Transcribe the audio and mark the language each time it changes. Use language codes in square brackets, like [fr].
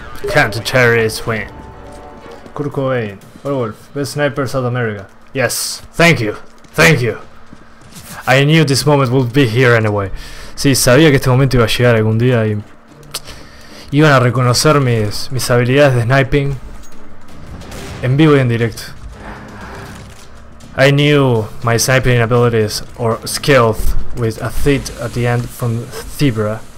[en] Counter-terrorist win. Kurt Cobain, Werewolf, best sniper South America. Yes, thank you, thank you. I knew this moment would be here anyway. [es] Sí, sabía que este momento iba a llegar algún día y... iban a reconocer mis habilidades de sniping en vivo y en directo. [en] I knew my sniping abilities or skills with a threat at the end from Zebra.